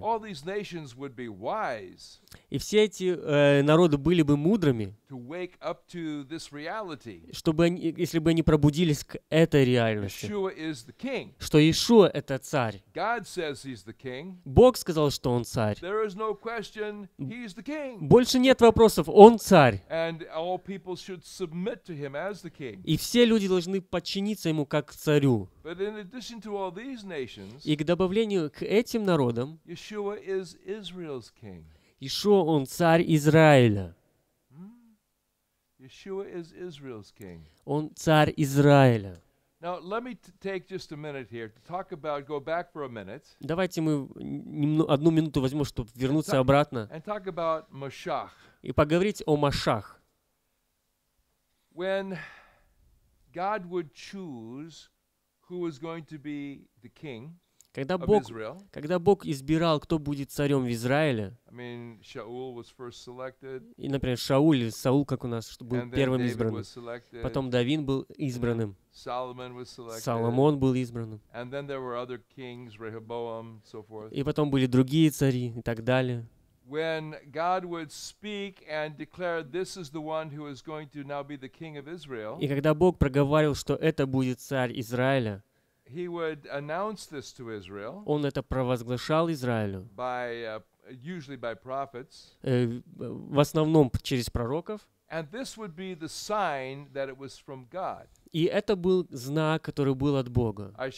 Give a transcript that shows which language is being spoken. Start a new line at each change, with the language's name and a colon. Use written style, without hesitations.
English: All these nations would be wise.
Russian: И все эти народы были бы мудрыми.
English: To wake up to this reality.
Russian: Чтобы они, если бы они пробудились к этой реальности.
English: Yeshua is the king.
Russian: Что Иешуа это царь.
English: God says he's the king.
Russian: Бог сказал, что он царь.
English: There is no question, he's the king.
Russian: Больше нет вопросов, он царь.
English: And all people should submit to him as the king.
Russian: И все люди должны подчиниться ему как царю.
English: But in addition to all these nations,
Russian: и к добавлению к этим народам,
English: Yeshua is Israel's king.
Russian: Иешуа, он царь Израиля.
English: Yeshua is Israel's king.
Russian: Он царь Израиля.
English: Now, let me take just a minute here to talk about, go back for a minute.
Russian: Давайте мы одну минуту возьмем, чтобы вернуться обратно.
English: And talk about Mashach.
Russian: И поговорить о Машах.
English: When God would choose who was going to be the king of Israel.
Russian: Когда Бог избирал, кто будет царем в Израиле.
English: I mean, Shaul was first selected.
Russian: И, например, Шауль или Саул, как у нас, был первым избранным. Потом Давид был избранным.
English: Solomon was selected.
Russian: Соломон был избранным.
English: And then there were other kings, Rehoboam, so forth.
Russian: И потом были другие цари и так далее.
English: When God would speak and declare, "This is the one who is going to now be the king of Israel."
Russian: И когда Бог проговорил, что это будет царь Израиля.
English: He would announce this to Israel.
Russian: Он это провозглашал Израилю.
English: By usually by prophets.
Russian: В основном через пророков.
English: And this would be the sign that it was from God.
Russian: И это был знак, который был от Бога.